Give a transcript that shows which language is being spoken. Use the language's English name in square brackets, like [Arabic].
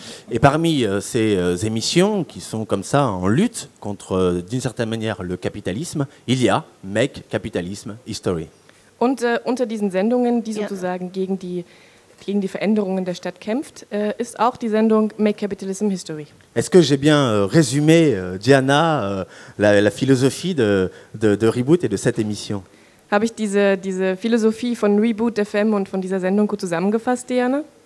[French] Et parmi ces émissions qui sont comme ça en lutte contre d'une certaine manière le capitalisme, il y a Make Capitalism History. [German] Und unter diesen Sendungen, die sozusagen gegen die Veränderungen der Stadt kämpft, ist auch die Sendung Make Capitalism History. [French] Est-ce que j'ai bien résumé, Diana, la philosophie de Reboot et de cette émission? [German] Habe ich diese Philosophie von Reboot FM und von dieser Sendung gut zusammengefasst, Diana?